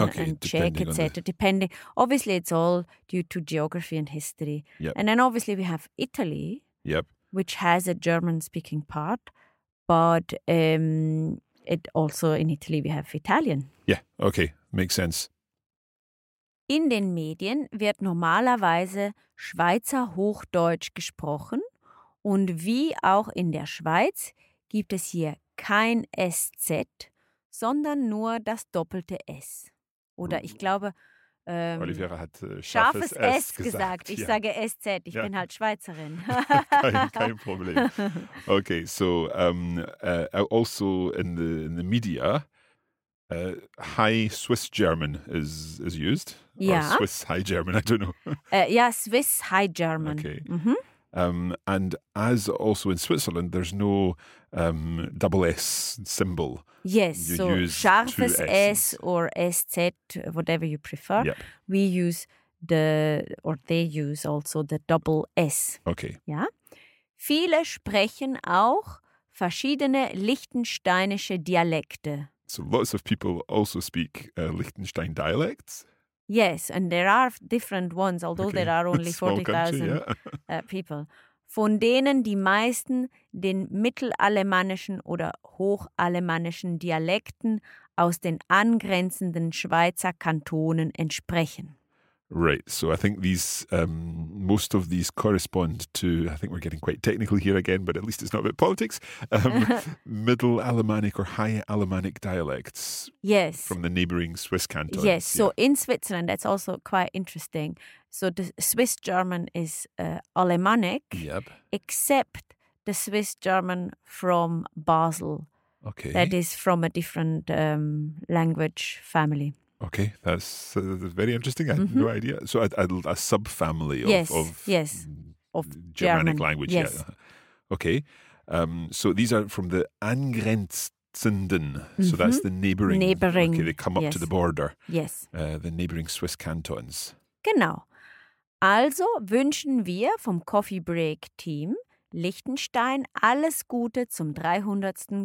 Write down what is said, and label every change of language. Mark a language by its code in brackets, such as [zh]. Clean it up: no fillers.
[en] okay, and Czech, etc. Depending, obviously, it's all due to geography and history. Yep. And then obviously we have Italy, yep. which has a German-speaking part, but it also in Italy we have Italian. Yeah, okay, makes sense. [de] In den Medien wird normalerweise Schweizer Hochdeutsch gesprochen und wie auch in der Schweiz gibt es hier kein SZ. Sondern nur das doppelte S. Oder ich glaube, Olivera hat scharfes S gesagt. Ich sage SZ, ich bin halt Schweizerin. kein Problem. [en] Okay, so also in the media, high Swiss German is used. Yeah. Or Swiss high German, I don't know. Yeah, Swiss high German. Okay. Mm-hmm. And as also in Switzerland, there's no double S symbol. Yes, you so scharfes S or SZ, whatever you prefer. Yep. We use the, or they use also the double S. Okay. [de] Ja. Viele sprechen auch verschiedene lichtensteinische Dialekte. [en] So lots of people also speak Liechtenstein dialects. Yes, and there are different ones, although okay. there are only 40,000 people. [de] Von denen die meisten den mittelalemannischen oder hochalemannischen Dialekten aus den angrenzenden Schweizer Kantonen entsprechen. [en] Right, so I think these, most of these correspond to, I think we're getting quite technical here again, but at least it's not about politics, middle Alemannic or high Alemannic dialects. Yes. From the neighbouring Swiss cantons. Yes, so in Switzerland, that's also quite interesting. So the Swiss German is Alemannic, yep. except the Swiss German from Basel. Okay. That is from a different language family. Okay, that's very interesting. I had mm-hmm. no idea. So a subfamily of Germanic German. Language. Yes. Yeah. Okay. So these are from the angrenzenden. Mm-hmm. So that's the neighboring. Okay, they come up yes. to the border. Yes. The neighboring Swiss cantons. [de] Genau. Also wünschen wir vom Coffee Break Team Liechtenstein alles Gute zum 300.